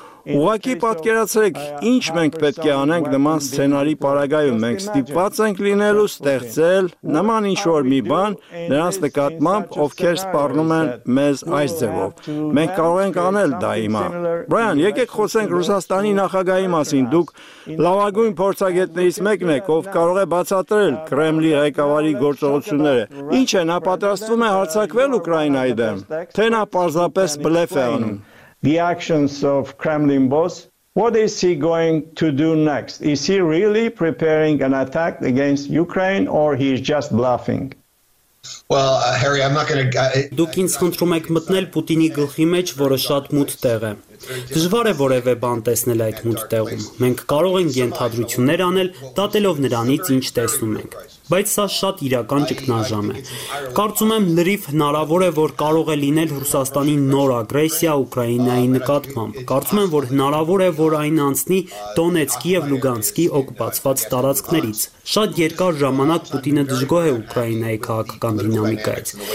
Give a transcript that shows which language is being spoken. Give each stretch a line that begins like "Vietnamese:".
Armenian: Ուղղակի պատկերացրեք, ինչ մենք պետք է անենք նման սցենարի պարագայում։ Մենք ստիպված ենք լինելու ստեղծել նման ինչ-որ մի բան նրանց նկատմամբ, ովքեր սպառնում են մեզ այս ձևով։ Մենք կարող ենք անել դա հիմա։ Բրայան, եկեք խոսենք Ռուսաստանի նախագահի մասին։ Դուք լավագույն փորձագետներից մեկն եք, ով կարող է բացատրել Կրեմլի ղեկավարի գործողությունները։ Ինչ է, նա պատրաստվում է հարձակվել Ուկրաինայի դեմ, թե նա պարզապես բլեֆ է անում։
English: The actions of Kremlin boss, what is he going to do next? Is he really preparing an attack against Ukraine or he is just bluffing? Well, Harry, I'm not going to
Armenian: Դուք ինձ խնդրում եք մտնել Պուտինի գլխի մեջ, որը շատ մութ տեղ է։ Դժվար է որևէ բան տեսնել այդ մութ տեղում։ Մենք կարող ենք ենթադրություններ անել, դատելով նրանից, ինչ տեսնում ենք, բայց սա շատ իրական ճգնաժամ է։ Կարծում եմ, լրիվ հնարավոր է, որ կարող է լինել Ռուսաստանի նոր ագրեսիա Ուկրաինայի նկատմամբ։ Կարծում եմ, որ հնարավոր է, որ այն անցնի Դոնեցկի եւ Լուգանսկի օկուպացված տարածքներից։ Շատ երկար ժամանակ Պուտինը դժգոհ է Ուկրաինայի քաղաքական դինամիկայից։